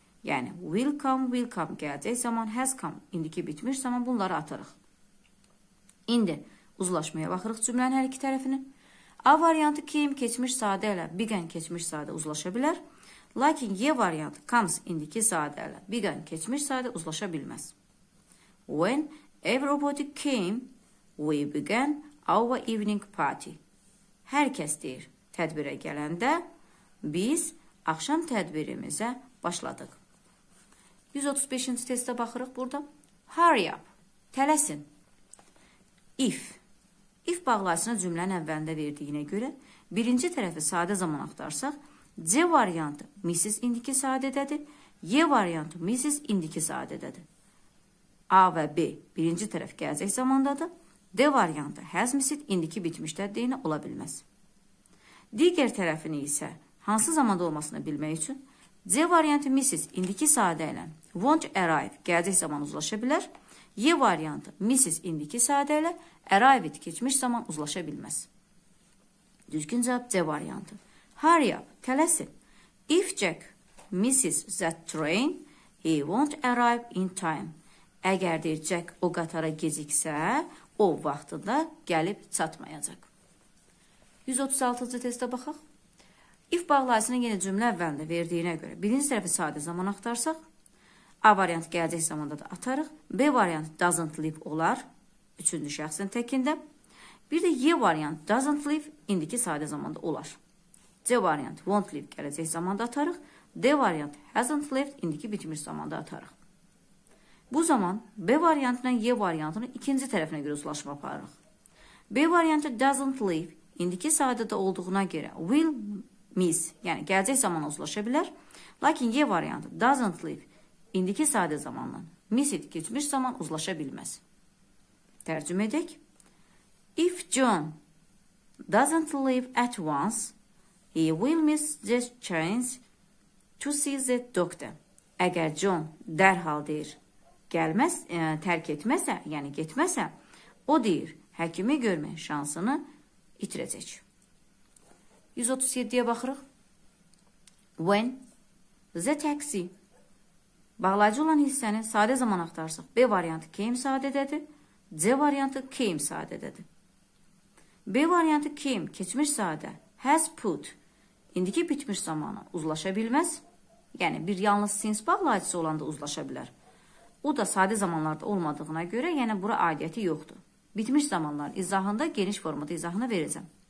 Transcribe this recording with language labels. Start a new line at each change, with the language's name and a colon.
Azerbaijani: Yəni
English: will come
Azerbaijani: gələcək zaman,
English: has come
Azerbaijani: indiki bitmiş zaman bunları atarıq. İndi uzlaşmaya baxırıq cümlənin hər iki tərəfini. A variantı came keçmiş sadə ilə began keçmiş sadə uzlaşa bilər. Lakin Y variantı comes indiki sadə ilə began keçmiş sadə uzlaşa bilməz.
English: When everybody came, we began our evening party.
Azerbaijani: Hər kəs deyir, tədbirə gələndə biz axşam tədbirimizə başladıq. 135-ci testə baxırıq burada.
English: Hurry up,
Azerbaijani: tələsin. If bağlayıcısını cümlənin əvvəlində verdiyinə görə, birinci tərəfi sadə zaman axtarsaq, C variantı Mrs. indiki sadədədir, Y variantı Mrs. indiki sadədədir. A və B birinci tərəf gələcək zamandadır, D variantı
English: has Mrs.
Azerbaijani: indiki bitmişdədir deyinə ola bilməz. Digər tərəfini isə hansı zamanda olmasını bilmək üçün, C variantı Mrs. indiki sadə ilə
English: won't arrive
Azerbaijani: gələcək zaman uzlaşa bilər, Y variantı Mrs. indiki sadə ilə arrived keçmiş zaman uzlaşa bilməz. Düzgün cavab C variantı.
English: Hurry up,
Azerbaijani: tələsin.
English: If Jack misses that train, he won't arrive in time.
Azerbaijani: Əgər deyir Jack o qatara geciksə, o vaxtında gəlib çatmayacaq. 136-cı testə baxaq. If bağlayıcının yenə cümlə əvvəlində verdiyinə görə birinci tərəfi sadə zaman axtarsaq, A variantı gələcək zamanda da atarıq. B variantı
English: doesn't live
Azerbaijani: olar. Üçüncü şəxsin təkində. Bir də Y variantı
English: doesn't live
Azerbaijani: indiki sadə zamanda olar. C variantı
English: won't live
Azerbaijani: gələcək zamanda atarıq. D variantı
English: hasn't lived
Azerbaijani: indiki bitmiş zamanda atarıq. Bu zaman B variantına Y variantının ikinci tərəfinə görə uzlaşma aparırıq. B variantı
English: doesn't live
Azerbaijani: indiki sadədə olduğuna görə
English: will miss,
Azerbaijani: yəni gələcək zamanda uzlaşa bilər. Lakin Y variantı
English: doesn't live
Azerbaijani: İndiki sadə zamanla
English: miss it
Azerbaijani: keçmiş zaman uzlaşa bilməz. Tərcümə edək.
English: If John doesn't leave at once, he will miss the chance to see the doctor.
Azerbaijani: Əgər John dərhal deyir, getməsə, o deyir, həkimi görmə şansını itirəcək. 137-yə baxırıq.
English: When the taxi
Azerbaijani: bağlayıcı olan hissəni sadə zaman axtarsaq, B variantı came sadədədir, C variantı came sadədədir. B variantı came keçmiş sadə,
English: has put,
Azerbaijani: indiki bitmiş zamanı uzlaşa bilməz. Yəni, bir yalnız since bağlayıcısı olanda uzlaşa bilər. O da sadə zamanlarda olmadığına görə, yəni bura adiyyəti yoxdur. Bitmiş zamanların izahında geniş formada izahını verəcəm.